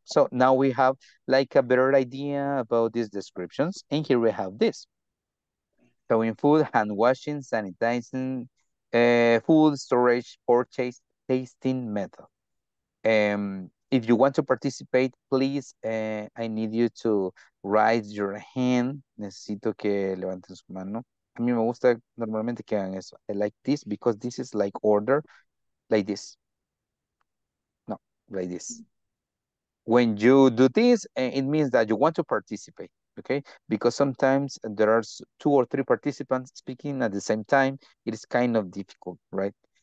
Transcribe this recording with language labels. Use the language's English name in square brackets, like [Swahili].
[English] So now we have like a better idea about these descriptions. And here we have this. Throwing food, hand washing, sanitizing, food storage, purchase, tasting method. If you want to participate, please, I need you to raise your hand. [Spanish] Necesito que levanten su mano. A mí me gusta normalmente que hagan eso. [English] I like this because this is like order, like this. No, like this. When you do this, it means that you want to participate. Okay, because sometimes there are two or three participants speaking at the same time, it is kind of difficult, right?